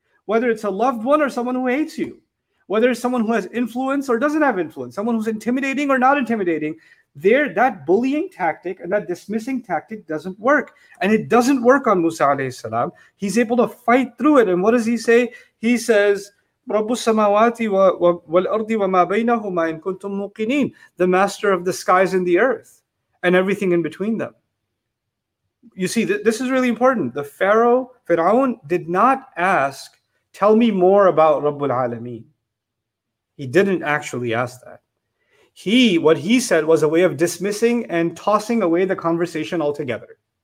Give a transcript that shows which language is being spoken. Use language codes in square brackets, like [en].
[en] Whether it's a loved one or someone who hates you, whether it's someone who has influence or doesn't have influence, someone who's intimidating or not intimidating, there, that bullying tactic and that dismissing tactic doesn't work. And it doesn't work on Musa alayhi salam. He's able to fight through it. And what does he say? [ar] He says, رَبُّ السَّمَوَاتِ وَالْأَرْضِ وَمَا بَيْنَهُمَا إِن كُنْتُم مُقِنِينَ. [en] The master of the skies and the earth and everything in between them. You see, this is really important. The Pharaoh, Fir'aun, did not ask, tell me more about Rabbul Alameen. He didn't actually ask that. What he said was a way of dismissing and tossing away the conversation altogether.